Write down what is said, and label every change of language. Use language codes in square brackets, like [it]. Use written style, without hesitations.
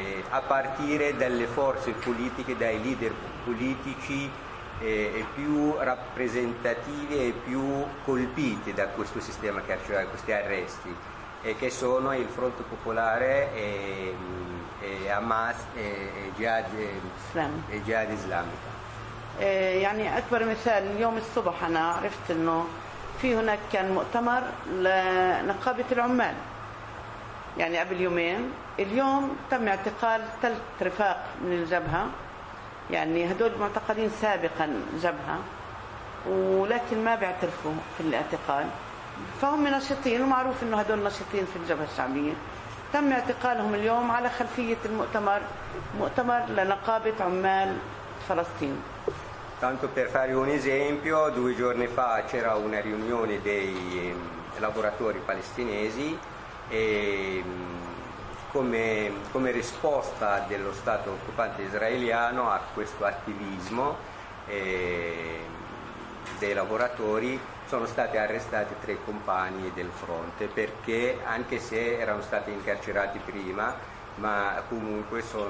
[it] a partire dalle forze politiche, dai leader politici più rappresentativi e più colpiti da questo sistema carcerario, questi arresti, che sono il Fronte Popolare e Hamas e Jihad Islamica. [ar] يعني أكبر مثال اليوم الصبح أنا عرفت إنه في هناك كان مؤتمر لنقابة العمال يعني قبل يومين. اليوم تم اعتقال 3 رفاق من الجبهة، يعني هدول معتقلين سابقا جبهة ولكن ما بيعترفوا في الاعتقال، فهم نشطين ومعروف إنه هدول نشطين في الجبهة الشعبية. تم اعتقالهم اليوم على خلفية المؤتمر، مؤتمر لنقابة عمال فلسطين. [it] Tanto per fare un esempio, 2 giorni fa c'era una riunione dei lavoratori palestinesi e come risposta dello Stato occupante israeliano a questo attivismo dei lavoratori sono stati arrestati 3 compagni del fronte, perché anche se erano stati incarcerati prima, ma comunque